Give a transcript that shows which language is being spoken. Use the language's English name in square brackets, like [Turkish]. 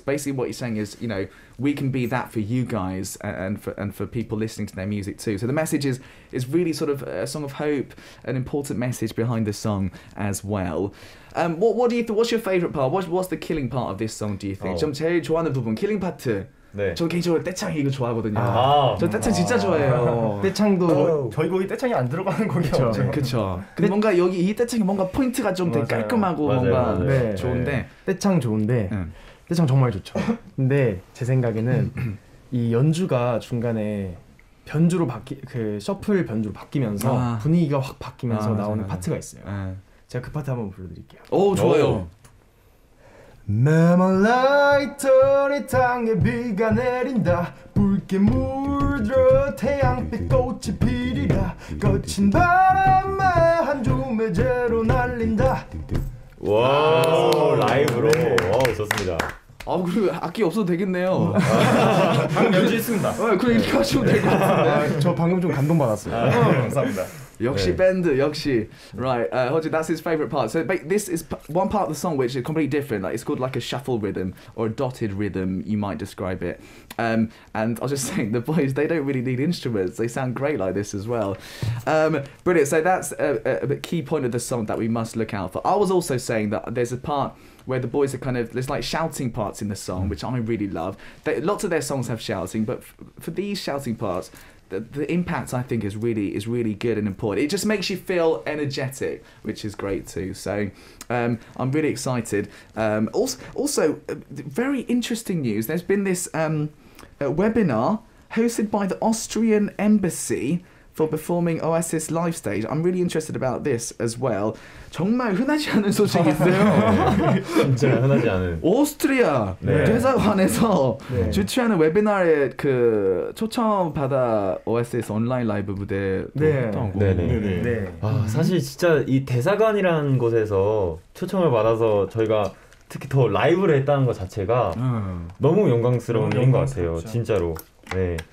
[English] Basically what you're saying is, you know, we can be that for you guys and for people listening to their music too. So the message is really sort of a song of hope, an important message behind the song as well. What's your favorite part? What's the killing part of this song, do you think? [Korean] 좀 제일 좋아하는 부분, killing part. 네. 저 개인적으로 떼창 이거 좋아하거든요. 아, 저 떼창 진짜 좋아해요. 떼창도 저희 곡이 떼창이 안 들어가는 곡이죠. 그렇죠. 근데 뭔가 여기 이 떼창이 뭔가 포인트가 좀 되게 깔끔하고 맞아요. 뭔가 맞아요. 네. 좋은데 네. 떼창 좋은데 떼창 정말 좋죠. 근데 제 생각에는 이 연주가 중간에 변주로 셔플 변주로 바뀌면서 분위기가 확 바뀌면서 나오는 맞아요. 파트가 있어요. 제가 그 파트 한번 불러드릴게요. 오 좋아요. 메말라이터리 땅에 비가 내린다 붉게 물들어 태양빛 꽃이 피리라 거친 바람에 한 줌의 재로 날린다 와 라이브로 네. 와 좋습니다 아 그리고 악기 없어도 되겠네요 방금 연주했습니다 네, 그럼 이렇게 하시면 될 것 같은데 저 방금 좀 감동받았어요 아, 감사합니다 역시 네. 밴드 역시 [English] right Hojin that's his favorite part so this is one part of the song which is completely different like it's called like a shuffle rhythm or a dotted rhythm you might describe it and I'll just say the boys they don't really need instruments they sound great like this as well brilliant so that's a key point of the song that we must look out for I was also saying that there's a part where the boys are kind of there's like shouting parts in the song which I really love lots of their songs have shouting but for these shouting parts the impact I think is really good and important. It just makes you feel energetic, which is great too. So I'm really excited. Also, very interesting news. There's been this webinar hosted by the Austrian embassy for performing Oasis live stage. I'm really interested about this as well. [Korean] 정말 흔하지 않은 소식이 있어요. 진짜 흔하지 않은. 오스트리아 대사관에서 주최하는 웨비나에 그 초청 받아 Oasis 온라인 라이브 무대 했다고. 네네. 네. 아 사실 진짜 이 대사관이라는 곳에서 초청을 받아서 저희가 특히 더 라이브를 했다는 것 자체가 너무 영광스러운 일인 것 같아요. 진짜로. 네.